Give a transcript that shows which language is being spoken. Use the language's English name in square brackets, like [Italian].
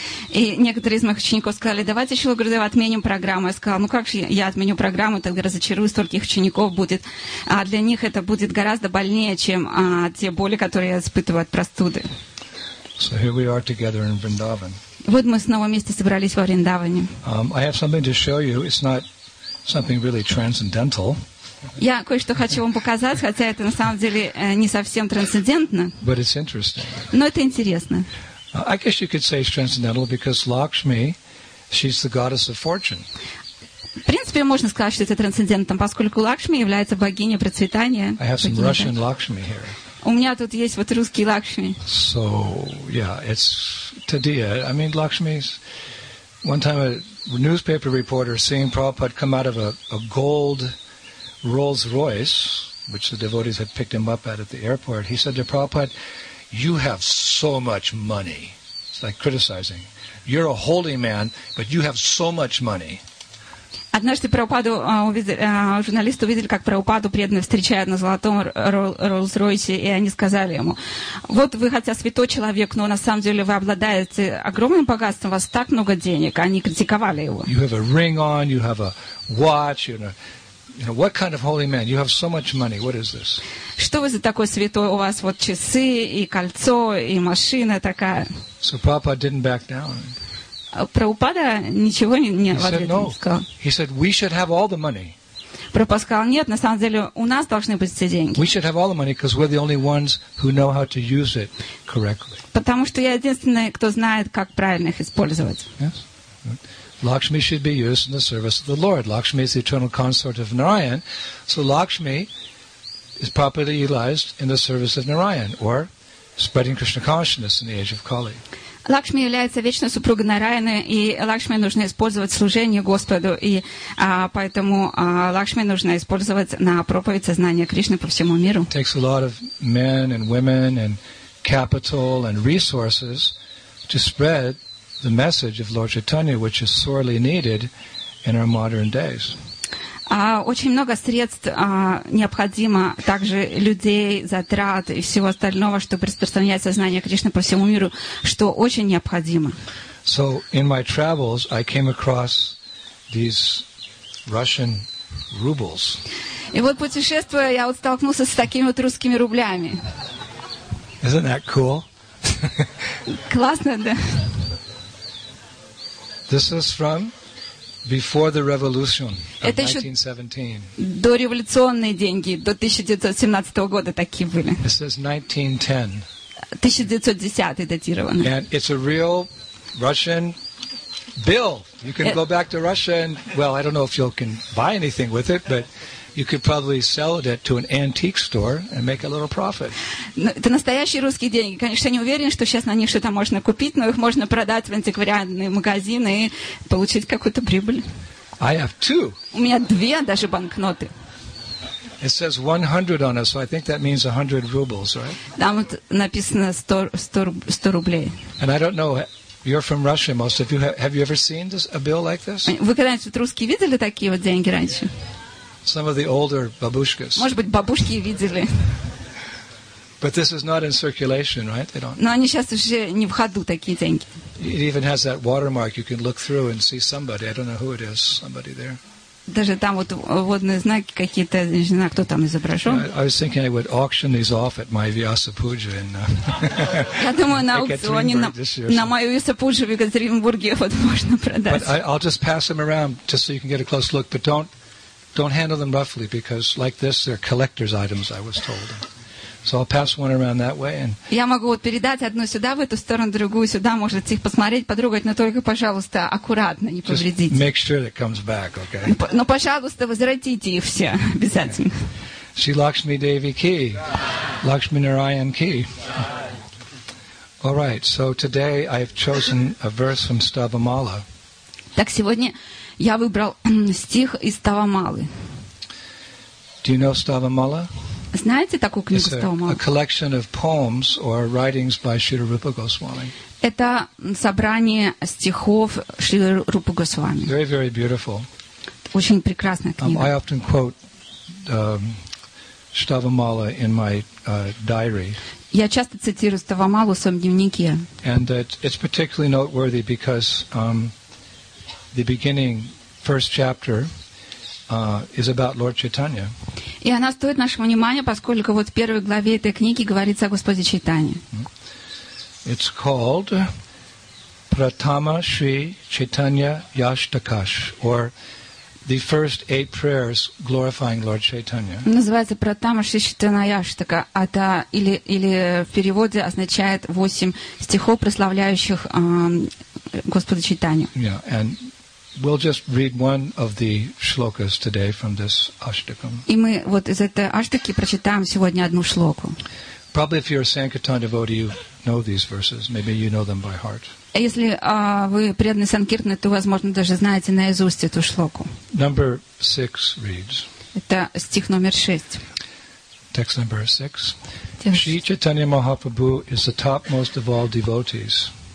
[Russian] И некоторые из моих учеников сказали, давайте еще, Гурудев, отменим программу. Я сказала, ну как же я отменю программу, тогда разочарую, столько их учеников будет. А для них это будет гораздо больнее, чем те боли, которые я испытываю от простуды. [English] So here we are together in Vrindavan. [Russian] Вот мы снова вместе собрались во Вриндаване. [English] I have something to show you. It's not something really transcendental. [Russian] Я кое-что хочу вам показать, хотя это на самом деле не совсем трансцендентно. [English] But it's interesting. [Russian] Но это интересно. [English] I guess you could say it's transcendental because Lakshmi, she's the goddess of fortune. [Russian] В принципе, можно сказать, что это трансцендентно, поскольку Лакшми является богиней процветания. [English] I have some Russian Lakshmi here. [Russian] У меня тут есть вот русский Лакшми. [English] So, yeah, it's Tadiya. I mean, Lakshmi's... One time a newspaper reporter seeing Prabhupada come out of a gold Rolls Royce, which the devotees had picked him up at the airport, he said to Prabhupada, "You have so much money." It's like criticizing. "You're a holy man, but you have so much money." [Russian] Однажды журналисты увидели, как Прабхупаду преданно встречают на золотом Роллс-Ройсе, и они сказали ему, вот вы хотя святой человек, но на самом деле вы обладаете огромным богатством, у вас так много денег, они критиковали его. [English] You have a ring on, you have a watch, you know. You know, what kind of holy man? You have so much money. What is this? [Russian] Что вы за такой святой? У вас вот часы и кольцо и машина такая. [English] So Prabhupada didn't back down. [Russian] Прабхупада ничего не ответил. [English] No. He said, "We should have all the money." [Russian] Прабхупада сказал, нет, на самом деле у нас должны быть все деньги. [English] We should have all the money because we're the only ones who know how to use it correctly. [Russian] Потому что я единственный, кто знает, как правильно их использовать. [English] Yes. Lakshmi should be used in the service of the Lord. Lakshmi is the eternal consort of Narayan. So Lakshmi is properly utilized in the service of Narayan or spreading Krishna consciousness in the age of Kali. [Russian] Лакшми является вечной супругой Нараяны, и Лакшми нужно использовать в служении Господу, и поэтому Лакшми нужно использовать на проповедь сознания Кришны по всему миру. [English] It takes a lot of men and women and capital and resources to spread the message of Lord Chaitanya, which is sorely needed in our modern days. [Russian] Очень много средств необходимо, также людей, затрат и всего остального, чтобы распространять сознание Кришны по всему миру, что очень необходимо. [English] So in my travels, I came across these Russian rubles. [Russian] И вот путешествуя, я вот столкнулся с такими вот русскими рублями. [English] Isn't that cool? [Russian] Классно, да. [English] This is from before the revolution of 1917. [Russian] До революционные деньги, до 1917 года такие были. [English] This is 1910. [Russian] 1910 датировано. [English] And it's a real Russian bill. You can go back to Russia and, well, I don't know if you can buy anything with it, but you could probably sell it to an antique store and make a little profit. [Russian] Это настоящие русские деньги. Конечно, я не уверен, что сейчас на них что-то можно купить, но их можно продать в антиквариатный магазин и получить какую-то прибыль. [English] I have two. [Russian] У меня две даже банкноты. [English] It says 100 on it, so I think that means 100 rubles, right? [Russian] Там вот написано 100 рублей. [English] And I don't know, you're from Russia, most of you. Have you ever seen this, a bill like this? [Russian] Вы когда-нибудь русские видели такие вот деньги раньше? [English] Some of the older babushkas. [Russian] Может быть, бабушки видели. [English] But this is not in circulation, right? They don't. [Russian] Но они сейчас уже не в ходу, такие деньги. [English] It even has that watermark. You can look through and see somebody. I don't know who it is. Somebody there. [Russian] Даже там вот водные знаки какие-то, не знаю, кто там изображен. [English] Yeah, I was thinking I would auction these off at my Vyasapuja in. [Russian] Я думаю, на аукционе на мою Vyasapuja в Екатеринбурге вот можно продать. [English] But I'll just pass them around just so you can get a close look, but don't handle them roughly because like this they're collector's items, I was told. So I'll pass one around that way and. [Russian] Я могу вот передать одну сюда, в эту сторону, другую сюда, можете их посмотреть, подругать, но только, пожалуйста, аккуратно, не повредите. [English] Just make sure that it comes back, okay? [Russian] Но, пожалуйста, возвратите их все обязательно. [Hindi] Shri Lakshmi Devi Ki, Lakshmi Narayan Ki. [English] All right, so today I have chosen a verse from Stavamala. [Russian] Так сегодня я выбрал стих из Ставамалы. [English] Do you know Stavamala? [Russian] Знаете такую книгу [English] Ставамалы? It's a collection of poems or writings by Шри Рупа Госвами. [Russian] Это собрание стихов Шри Рупы Госвами. [English] Very, very beautiful. [Russian] Очень прекрасная книга. [English] I often quote Stavamala in my diary. [Russian] Я часто цитирую Ставамалу в своем дневнике. [English] And it's particularly noteworthy because the beginning, first chapter, is about Lord Chaitanya. [Russian] И она стоит нашего внимания, поскольку вот в первой главе этой книги говорится о Господе Чайтанье. [English] It's called Pratama Shri Chaitanya Yashtakash, or the first eight prayers glorifying Lord Chaitanya. [Russian] Называется Pratama Shri Chaitanya Yashtaka, это или в переводе означает восемь стихов, прославляющих Господа Чайтанью. [English] Yeah, and we'll just read one of the shlokas today from this ashtakam. [Russian] И мы вот из этой ashtaki прочитаем сегодня одну шлоку. [English] Probably if you're a sankirtan devotee, you know these verses. Maybe you know them by heart. [Russian] Если вы преданный санкиртны, то, возможно, даже знаете наизусть эту шлоку. [English] Number 6 reads. [Russian] Это стих номер 6. [English] Text number 6. Shri Chaitanya Mahaprabhu is the topmost of all devotees.